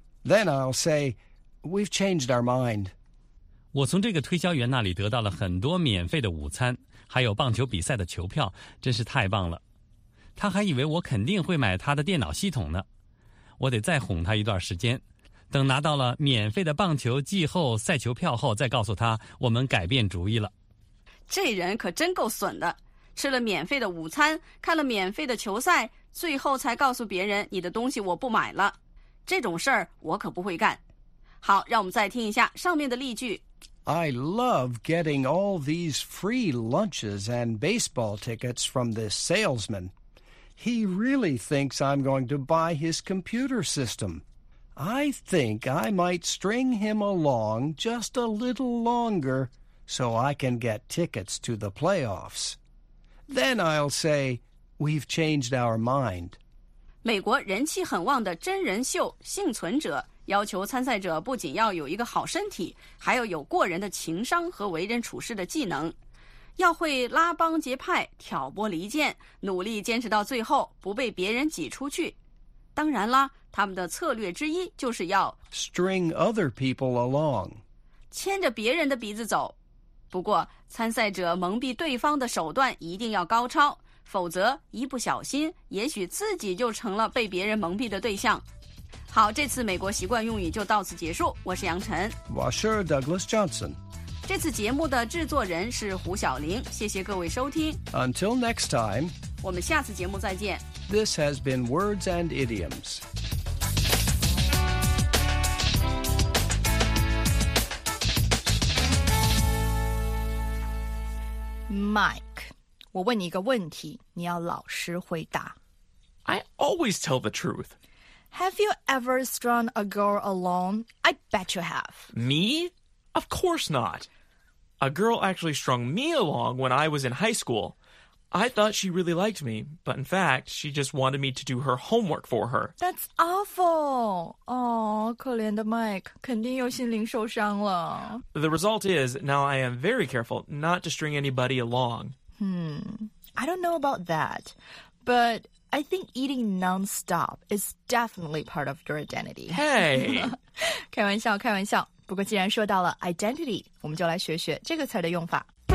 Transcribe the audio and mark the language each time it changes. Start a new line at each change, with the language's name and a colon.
English: Then I'll say, we've changed our mind.
Chinese: 我从这个推销员那里得到了很多免费的午餐，还有棒球比赛的球票，真是太棒了。他还以为我肯定会买他的电脑系统呢。我得再哄他一段时间，等拿到了免费的棒球季后赛球票后，再告诉他我们改变主意了。这人可真够损的，吃了免费的午餐，看了免费的球赛，最后才告诉别人你的东西我不买了。这种事儿我可不会干。好，让我们再听一下上面的例句。
English: I love getting all these free lunches and baseball tickets from this salesman. He really thinks I'm going to buy his computer system. I think I might string him along just a little longer so I can get tickets to the playoffs. Then I'll say, we've changed our mind.
Chinese: 美国人气很旺的真人秀《幸存者》要求参赛者不仅要有一个好身体，还要有过人的情商和为人处事的技能，要会拉帮结派、挑拨离间，努力坚持到最后，不被别人挤出去。当然啦，他们的策略之一就是要
English: string other people along，
Chinese: 牵着别人的鼻子走。不过参赛者蒙蔽对方的手段一定要高超，否则一不小心也许自己就成了被别人蒙蔽的对象。好，这次美国习惯用语就到此结束。我是杨晨。我是 Douglas Johnson。这次节目的制作人是胡晓玲。谢谢各位收听。
English: Until next time。
Chinese: 我们下次节目再见。
English: This has been Words and Idioms.
Chinese: Mike, 我问你一个问题，你要老实回答。
English: I always tell the truth. Have you ever strung a girl along? I bet you have. Me? Of course not. A girl actually strung me along when I was in high school. I thought she really liked me, but in fact, she just wanted me to do her homework for her. That's awful.
Chinese: Aw, 可怜的 Mike, 肯定又心灵受伤了。
English: The result is, now I am very careful not to string anybody along. I don't know about that, but... I think eating non-stop is definitely part of your identity. Hey!
Chinese: 开玩笑，开玩笑。不过既然说到了 identity, 我们就来学学这个词的用法。